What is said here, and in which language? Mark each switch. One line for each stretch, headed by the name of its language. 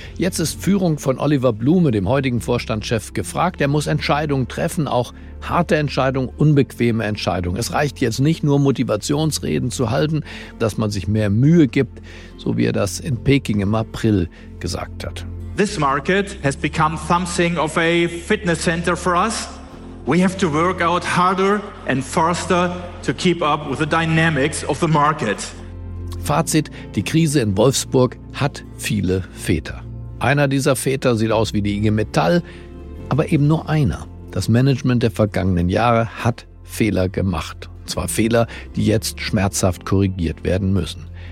German: Jetzt ist Führung von Oliver Blume, dem heutigen Vorstandschef, gefragt. Er muss Entscheidungen treffen, auch harte Entscheidungen, unbequeme Entscheidungen. Es reicht jetzt nicht nur, Motivationsreden zu halten, dass man sich mehr Mühe gibt, so wie er das in Peking im April gesagt hat.
English: This market has become something of a fitness center for us. We have to work out harder and faster to keep up with the dynamics of the market.
German: Fazit, die Krise in Wolfsburg hat viele Väter. Einer dieser Väter sieht aus wie die IG Metall, aber eben nur einer. Das Management der vergangenen Jahre hat Fehler gemacht. Und zwar Fehler, die jetzt schmerzhaft korrigiert werden müssen.